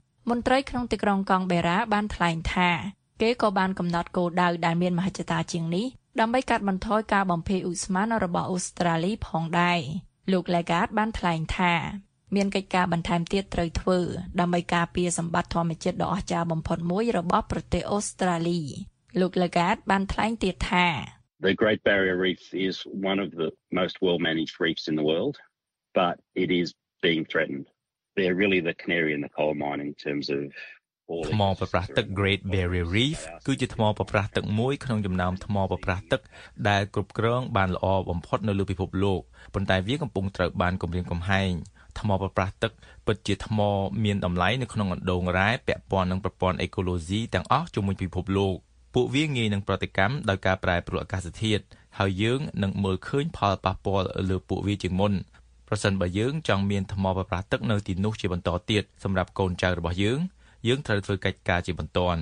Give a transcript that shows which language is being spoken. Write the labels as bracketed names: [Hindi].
[Khmer] មន្ត្រីក្នុងទីក្រុងកង់បេរ៉ាបានថ្លែងថាគេក៏បានកំណត់គោលដៅដែលមានមហិច្ឆតាជាងនេះដើម្បីកាត់បន្ថយការបំភាយឧស្ម័នរបស់អូស្ត្រាលីផងដែរលោក Legard បានថ្លែងថាមានកិច្ចការបន្ថែមទៀតត្រូវធ្វើដើម្បីការពារសម្បត្តិធម្មជាតិដ៏អស្ចារ្យបំផុតមួយរបស់ប្រទេសអូស្ត្រាលីលោក Legard បានថ្លែងទៀតថា [English] The Great Barrier Reef is one of the most well managed reefs in the world but it is being threatened they're really the canary in the coal mine in terms of [Khmer] ថ្មប្រប្រះទឹក Great Barrier Reef គឺជាថ្មប្រប្រះទឹកមួយក្នុងចំណោមថ្មប្រប្រះទឹកដែលគ្រប់គ្រងបានល្អបំផុតនៅលើពិភពលោកប៉ុន្តែវាកំពុងត្រូវបានគម្រាមកំហែង ថ្មប្រប្រះទឹកពិតជាថ្មមានតម្លៃនៅក្នុងអណ្ដូងរ៉ែពាក់ព័ន្ធនឹងប្រព័ន្ធអេកូឡូស៊ីទាំងអស់ជុំវិញពិភពលោកពួកវាងាយនឹងប្រតិកម្មដោយការប្រែប្រួលអាកាសធាតុហើយយើងនឹងមើលឃើញផលប៉ះពាល់លើពួកវាជាងមុនប្រសិនបើយើងចង់មានថ្មប្រប្រះទឹកនៅទីនោះជាបន្តទៀតសម្រាប់កូនចៅរបស់យើងយើងត្រូវធ្វើកិច្ចការជាបន្ត